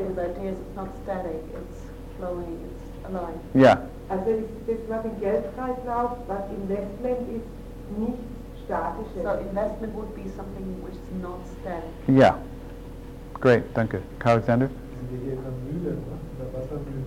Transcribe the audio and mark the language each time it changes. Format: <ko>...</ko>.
<en>With ideas, it's not static, it's flowing, it's alive. Yeah.</en> <de>Also das, was im Geldkreislauf, was Investment ist, nicht statische.</de> <en>So investment would be something which is not static. Yeah. Great, danke. Karl Alexander?</en> <de>Sind wir hier in einer Mühle, oder Wassermühle?</de>